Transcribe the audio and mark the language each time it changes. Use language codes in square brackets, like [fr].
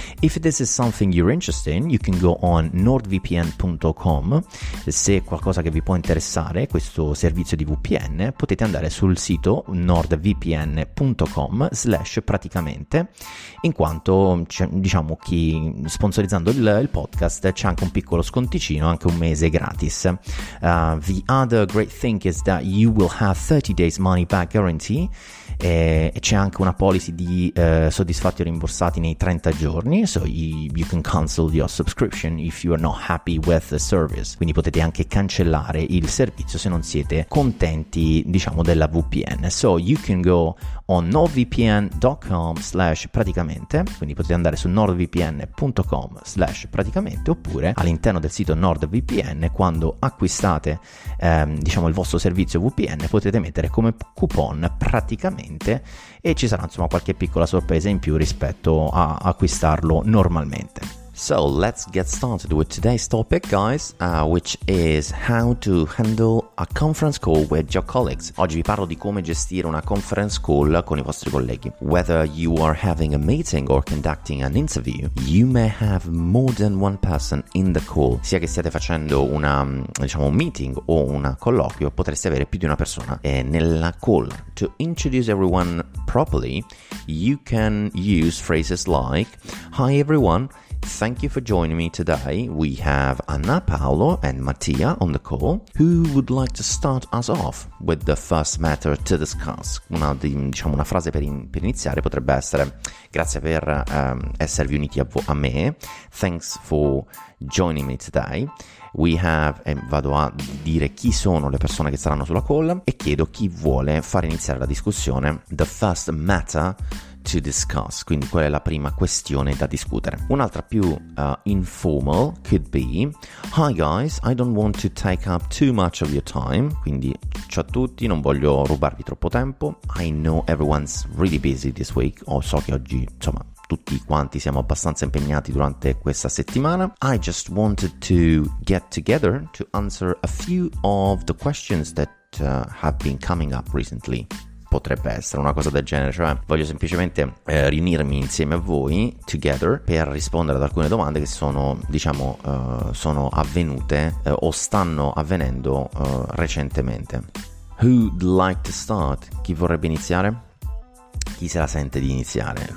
[en] If this is something you're interested in, you can go on nordvpn.com. [it] Se è qualcosa che vi può interessare questo servizio di VPN, potete andare sul sito nordvpn.com/praticamente, in quanto diciamo chi sponsorizzando il podcast c'è anche un piccolo sconto, anche un mese gratis. [en] The other great thing is that you will have 30 days money back guarantee, [it] e c'è anche una policy di soddisfatti o rimborsati nei 30 giorni, [en] so you can cancel your subscription if you are not happy with the service. [it] Quindi potete anche cancellare il servizio se non siete contenti, diciamo, della VPN. [en] So you can go on nordvpn.com/praticamente, [it] quindi potete andare su nordvpn.com/praticamente, oppure all'interno del sito NordVPN, quando acquistate diciamo il vostro servizio VPN, potete mettere come coupon praticamente e ci sarà insomma qualche piccola sorpresa in più rispetto a acquistarlo normalmente. [en] So let's get started with today's topic, guys, which is how to handle a conference call with your colleagues. [it] Oggi vi parlo di come gestire una conference call con i vostri colleghi. [en] Whether you are having a meeting or conducting an interview, you may have more than one person in the call. [it] Sia che stiate facendo una, diciamo, un meeting o un colloquio, potreste avere più di una persona nella call. [en] To introduce everyone properly, you can use phrases like, "Hi everyone, thank you for joining me today. We have Anna, Paolo and Mattia on the call. Who would like to start us off with the first matter to discuss?" [it] Una frase per iniziare potrebbe essere: "Grazie per esservi uniti a me. [en] Thanks for joining me today. We have..." [it] E vado a dire chi sono le persone che saranno sulla call e chiedo chi vuole far iniziare la discussione. [en] "The first matter to discuss, [it] quindi qual è la prima questione da discutere. Un'altra più [en] informal could be: Hi guys, I don't want to take up too much of your time. [it] Quindi ciao a tutti, non voglio rubarvi troppo tempo. [en] I know everyone's really busy this week. [it] So che oggi, insomma, tutti quanti siamo abbastanza impegnati durante questa settimana. [en] I just wanted to get together to answer a few of the questions that have been coming up recently. [it] Potrebbe essere una cosa del genere, cioè voglio semplicemente riunirmi insieme a voi, together, per rispondere ad alcune domande che sono, diciamo, sono avvenute o stanno avvenendo recentemente. [en] Who'd like to start? [it] Chi vorrebbe iniziare? Chi se la sente di iniziare?